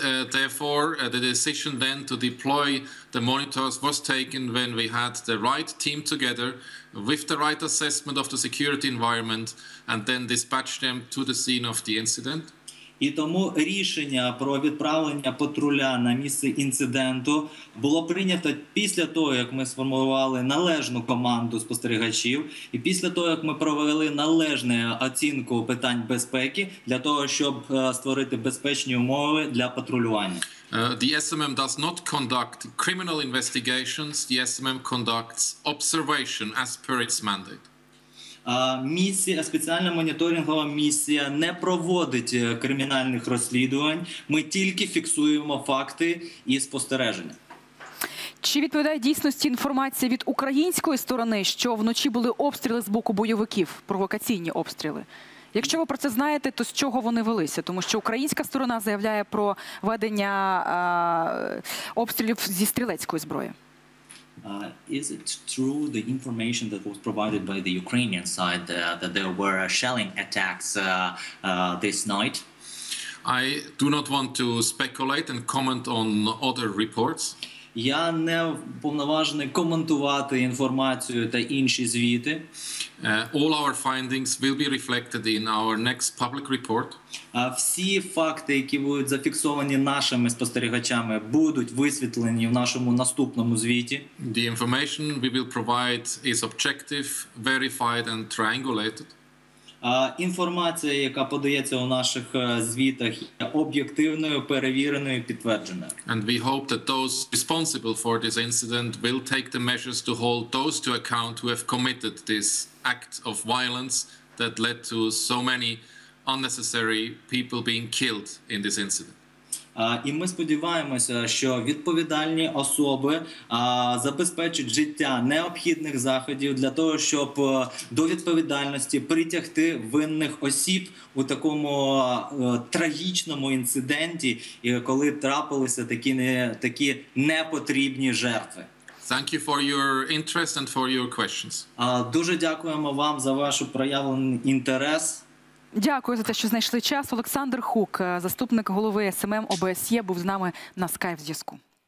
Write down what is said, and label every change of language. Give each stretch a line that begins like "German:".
English: Therefore, the decision then to deploy the monitors was taken when we had the right team together with the right assessment of the security environment and then dispatch them to the scene of the incident.
Ukrainian: І тому рішення про відправлення патруля на місце інциденту було прийнято після того, як ми сформували належну команду спостерігачів, і після того, як ми провели належну оцінку питань безпеки для того, щоб створити безпечні умови для патрулювання.
English: The SMM does not conduct criminal investigations, the SMM conducts observation as per its mandate.
Ukrainian: Місія, спеціальна моніторингова місія не проводить кримінальних розслідувань. Ми тільки фіксуємо факти і спостереження. Чи відповідає дійсності інформація від української сторони, що вночі були обстріли з боку бойовиків, провокаційні обстріли? Якщо ви про це знаєте, то з чого вони велися? Тому що українська сторона заявляє про ведення обстрілів зі стрілецької зброї.
English: Is it true the information that was provided by the Ukrainian side that there were shelling attacks this night? I do not want to speculate and comment on other reports.
Ukrainian: Я не повноважений коментувати інформацію та інші звіти.
English: All our findings will be reflected in our next public report.
Ukrainian: Всі факти, які будуть зафіксовані нашими спостерігачами, будуть висвітлені в нашому наступному звіті.
English: The information we will provide is objective, verified and triangulated.
Ukrainian: Інформація, яка подається у наших звітах, є об'єктивною, перевіреною, підтвердженою.
English: And we hope that those responsible for this incident will take the measures to hold those to account who have committed this act of violence that led to so many unnecessary people being killed in this incident.
Ukrainian: І ми сподіваємося, що відповідальні особи забезпечать життя необхідних заходів для того, щоб до відповідальності притягти винних осіб у такому трагічному інциденті, коли трапилися такі непотрібні жертви.
English: Thank you for your interest and for your questions.
Ukrainian: Дуже дякуємо вам за вашу проявлений інтерес. Дякую за те, що знайшли час. Олександр Хук, заступник голови СММ ОБСЄ, був з нами на скайп-зв'язку.